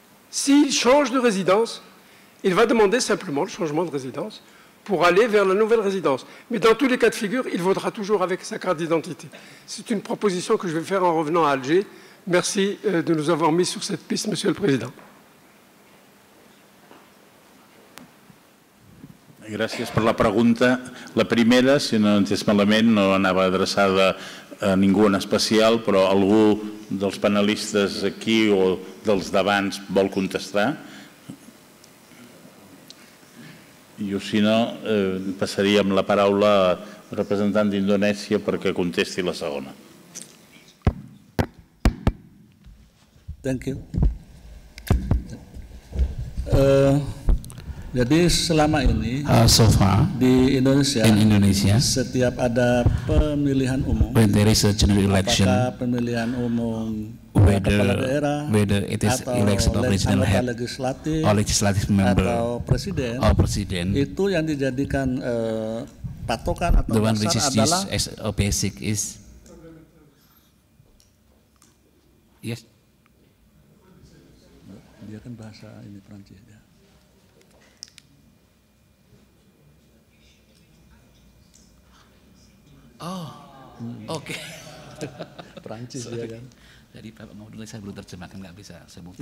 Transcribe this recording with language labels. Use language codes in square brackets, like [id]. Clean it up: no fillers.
[fr] S'il change de résidence, il va demander simplement le changement de résidence pour aller vers la nouvelle résidence. Mais dans tous les cas de figure, il votera toujours avec sa carte d'identité. C'est une proposition que je vais faire en revenant à Alger. Merci de nous avoir mis sur cette piste, Monsieur le Président. [ca] Gràcies per la pregunta. La primera, si no entès malament, no anava adreçada a ningú en especial, però algú dels panelistes aquí o dels d'abans vol contestar. I si no, passaríem la paraula al representant d'Indonèsia perquè contesti la segona. [en] Thank you. [id] Jadi selama ini [en] so far, [id] di Indonesia, [en] in Indonesia [id] setiap ada pemilihan umum, [en] when there is a general election, [id] apakah pemilihan umum [en] whether, [id] kepala daerah, [en] whether it is [id] atau [en] election of regional head, [id] atau legislatif, [en] or legislative member, [id] atau presiden, [en] or president, [id] itu yang dijadikan patokan atau dasar adalah [en] the one which is used as a basic is yes. [id] Dia kan bahasa ini Prancis. Oh, oke. Okay. Prancis ya kan. Jadi Pak Maudulai saya belum terjemahkan, nggak bisa sebut